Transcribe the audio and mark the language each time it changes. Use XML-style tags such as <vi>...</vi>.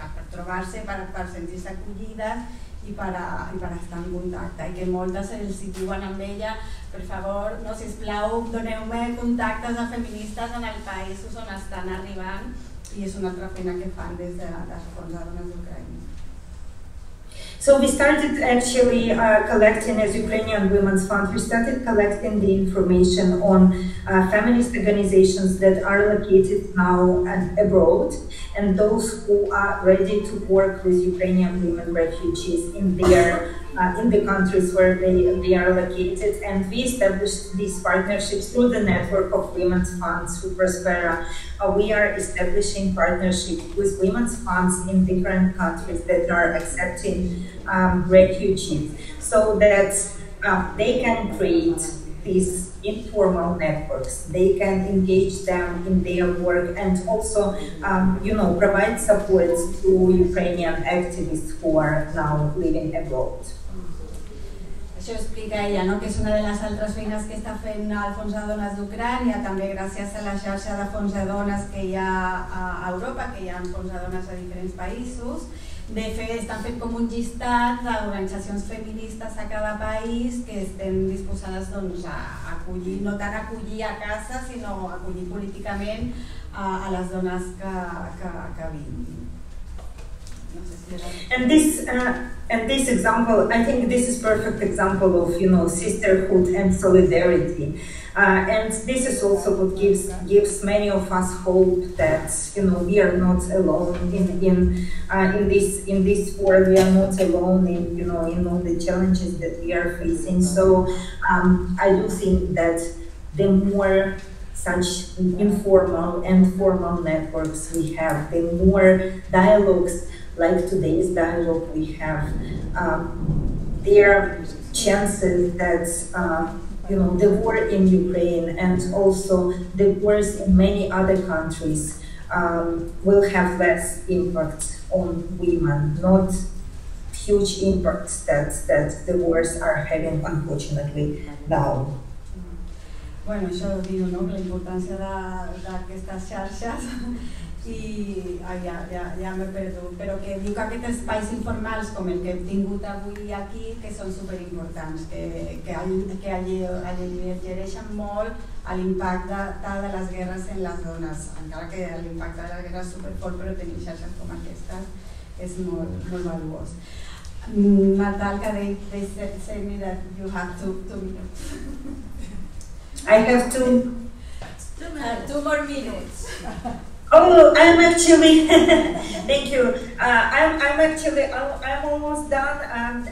<ca>trobar-se, per sentir-se acollides i per estar en contacte, i que moltes els diuen amb ella, per favor, no, sisplau, doneu-me contactes de feministes en el país on estan arribant, i és una altra feina que fan des de les fonts de dones d'Ucraïna.</ca> <en>So we started actually collecting, as Ukrainian Women's Fund, we started collecting the information on feminist organizations that are located now and abroad, and those who are ready to work with Ukrainian women refugees in their in the countries where they are located. And we established these partnerships through the network of Women's Funds, Super Sfera. We are establishing partnerships with Women's Funds in different countries that are accepting refugees, so that they can create these informal networks, they can engage them in their work, and also provide support to Ukrainian activists who are now living abroad.</en> <ca>Això explica ella, no? Que és una de les altres feines que està fent el Fons de Dones d'Ucrània, també gràcies a la xarxa de Fons de Dones que hi ha a Europa, que hi ha Fons de Dones a diferents països. De fet, estan fent com un llistat d'organitzacions feministes a cada país que estem disposades doncs, a acollir, no tant acollir a casa, sinó acollir políticament a les dones que vinguin.</ca> <en>And this example, I think this is perfect example of sisterhood and solidarity, and this is also what gives many of us hope that we are not alone in this world. We are not alone in all the challenges that we are facing. So I do think that the more such informal and formal networks we have, the more dialogues like today's dialogue we have, there are chances that the war in Ukraine and also the wars in many other countries will have less impact on women, not huge impacts that the wars are having, unfortunately, now.</en> <ca>Bueno, això ho diu, no? La importància d'aquestes xarxes i ja m'he perdut, però que diu que aquests espais informals com el que hem tingut avui aquí, que són superimportants, que allegereixen molt a l'impacte de les guerres en les dones, encara que l'impacte de les guerres és superfort, però tenir xarxes com aquestes és molt, molt valuós.</ca> <en>Natalka, they say me that you have two minutes. I have two. Two more minutes. Oh, I'm actually. Thank you. I'm almost done.</en>